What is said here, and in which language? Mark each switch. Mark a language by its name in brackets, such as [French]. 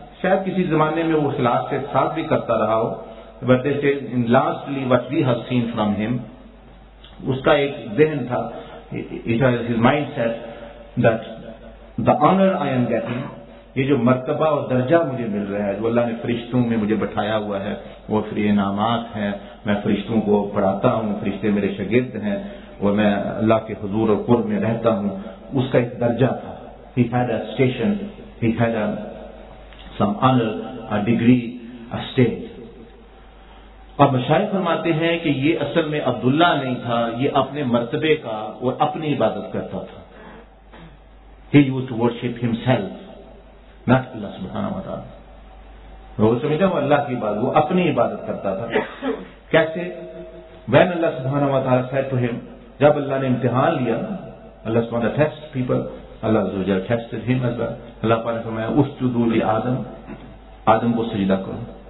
[Urdu] شاید کسی زمانے میں وہ اخلاص کے ساتھ بھی کرتا رہا ہو, [English] but in lastly what we have seen from him, [Urdu] اس کا ایک ذہن تھا, [English] his mindset that The honor I am getting, [Urdu] یہ جو مرتبہ اور درجہ مجھے مل رہا ہے, جو اللہ نے فرشتوں میں مجھے بٹھایا ہوا ہے, وہ فری انعامات ہیں, میں فرشتوں کو پڑھاتا ہوں, فرشتے میرے شاگرد ہیں, اور میں اللہ کے حضور اور قرب میں رہتا ہوں, اس کا ایک درجہ تھا. [English] He had a station, he had a some honor, a degree, a state. [Urdu] اب مشائخ فرماتے ہیں کہ یہ اصل میں عبداللہ نہیں تھا, یہ اپنے مرتبے کا اور اپنی عبادت کرتا تھا. [English] He used to worship himself, not Allah subhanahu wa ta'ala. [Urdu] وہ سمجھا وہ اللہ کی عبادت, وہ اپنی عبادت کرتا تھا. [English] کیسے؟ When Allah subhanahu wa ta'ala said to him, [Urdu] جب اللہ نے امتحان لیا, [English] Allah subhanahu wa ta'ala tests people, Allah عز و جل tested him as well. [Urdu] Allah تعالیٰ نے فرمایا [Arabic] اسجدوا لآدم, [Urdu] آدم کو سجدہ کرو.